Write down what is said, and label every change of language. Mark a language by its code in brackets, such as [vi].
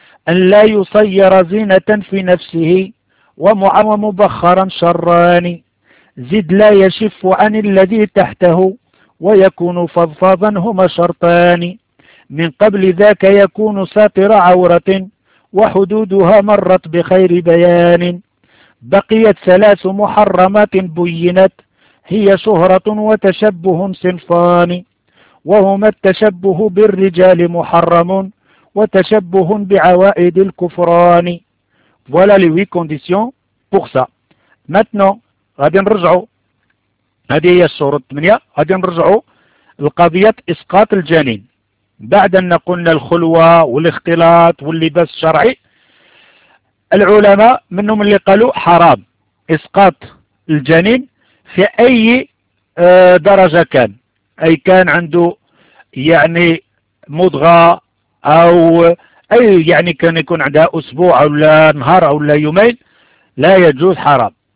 [ar] أن لا يصير زينة في نفسه ومبخرا شران، زد لا يشف عن الذي تحته ويكون فضفاضا هما شرطان، من قبل ذاك يكون ساتر عورة وحدودها مرت بخير بيان، بقيت ثلاث محرمات بينت هي شهرة وتشبه صنفان، وهما التشبه بالرجال محرم وتشبه بعوائد الكفران. [fr] Voilà les huit conditions pour ça. Maintenant, [ar] غادي نرجعوا، هذه هي الشروط الثمانية، غادي نرجعوا لقضية إسقاط الجنين. بعد أن قلنا الخلوة والاختلاط واللباس الشرعي، العلماء منهم اللي قالوا حرام إسقاط الجنين في أي درجة كان، أي كان عنده يعني مضغة أو أي يعني كان يكون عندها أسبوع أو لا نهار أو لا يومين، لا يجوز حرام.